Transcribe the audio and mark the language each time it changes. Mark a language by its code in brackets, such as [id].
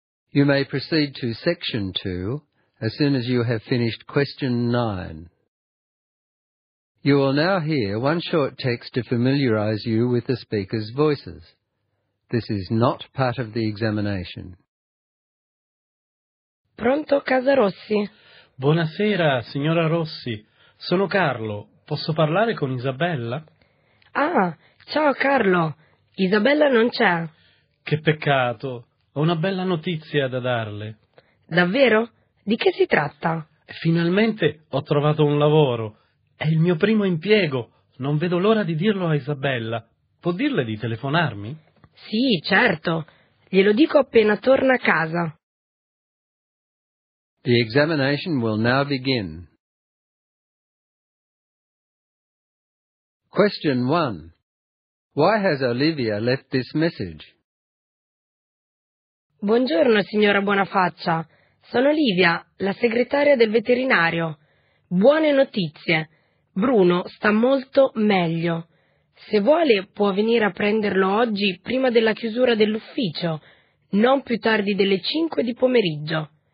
[en] You may proceed to Section 2 as soon as you have finished Question 9. You will now hear one short text to familiarize you with the speaker's voices. This is not part of the examination. [it] Pronto, casa Rossi. Buonasera, signora Rossi. Sono Carlo. Posso parlare con Isabella? Ah, ciao Carlo. Isabella non c'è. Che peccato. Ho una bella notizia da darle. Davvero? Di che si tratta? Finalmente ho trovato un lavoro. È il mio primo impiego. Non vedo l'ora di dirlo a Isabella. Può dirle di telefonarmi? Sì, certo. Glielo dico appena torna a casa. [en] The examination will now begin. Question 1. Why has Olivia left this message? [it] Buongiorno, signora Buonafaccia. Sono Olivia, la segretaria del veterinario. Buone notizie. Bruno sta molto meglio. Se vuole, può venire a prenderlo oggi prima della chiusura dell'ufficio, non più tardi delle 5 di pomeriggio.